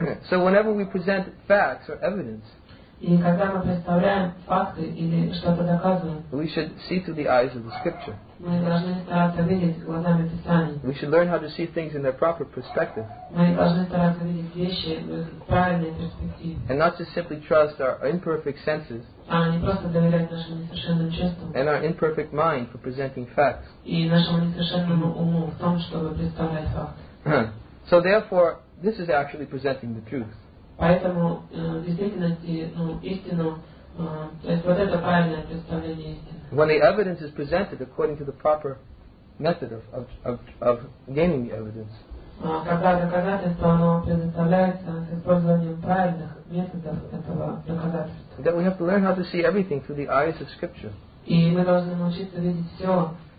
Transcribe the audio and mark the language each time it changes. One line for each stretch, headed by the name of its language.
English: So whenever we present facts or evidence,
Russian: когда мы представляем факты или что-то доказываем,
English: we should see through the eyes of the scripture.
Russian: Мы должны стараться видеть глазами Писания.
English: We should learn how to see things in their proper perspective.
Russian: Мы должны стараться видеть вещи в правильной перспективе.
English: And not just simply trust our imperfect senses.
Russian: А не просто доверять нашим несовершенным чувствам.
English: And our imperfect mind for presenting facts.
Russian: И нашему несовершенному уму в том, чтобы представлять факты.
English: So therefore, this is actually presenting the truth.
Russian: Поэтому в действительности, ну, истину, то есть вот это правильное представление истины.
English: When the evidence is presented according to the proper method of gaining the evidence.
Russian: Когда доказательство оно предоставляется с использованием правильных методов этого доказательства.
English: That we have to learn how to see everything through the eyes of Scripture.
Russian: И мы должны научиться видеть все.